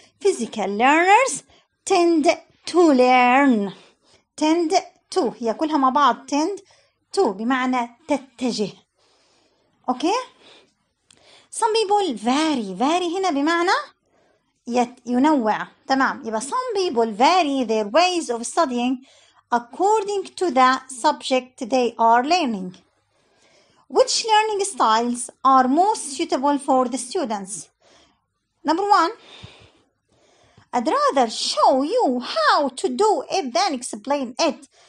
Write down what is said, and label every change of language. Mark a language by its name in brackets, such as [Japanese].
[English] Physical learners tend to learn. Tend to [Arabic] هي كلها مع بعض. [English] Tend to [Arabic] بمعنى تتجه. [English] Okay. Some people vary. [Arabic] Vary هنا بمعنى ينوع. تمام. يبقى [English] some people vary their ways of studying according to the subject they are learning. Which learning styles are most suitable for the students? Number one, I'd rather show you how to do it than explain it.